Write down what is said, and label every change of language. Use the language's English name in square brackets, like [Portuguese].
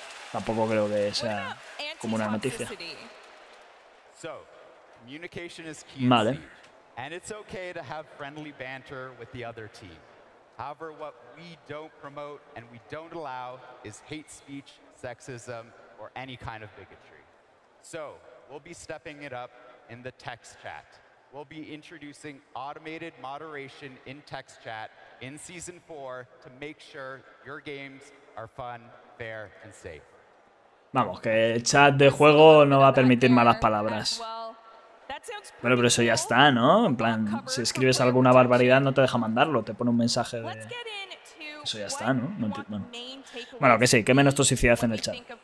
[Spanish] Tampoco creo que sea como una noticia. [English] So, communication is key. [Spanish] Vale. [English] And it's okay to have friendly banter with the other team. However, what we don't promote and we don't allow is hate speech, sexism, or any kind of bigotry. So, we'll be stepping it up in the text chat. We'll be introducing automated moderation in text chat in season four to make sure your games are fun, fair, and safe. [Spanish] Vamos, que el chat de juego no va a permitir malas palabras. Bueno, pero eso ya está, ¿no? En plan, si escribes alguna barbaridad no te deja mandarlo, te pone un mensaje de... Eso ya está, ¿no? No entiendo. Bueno, que sí, que menos toxicidad en el chat.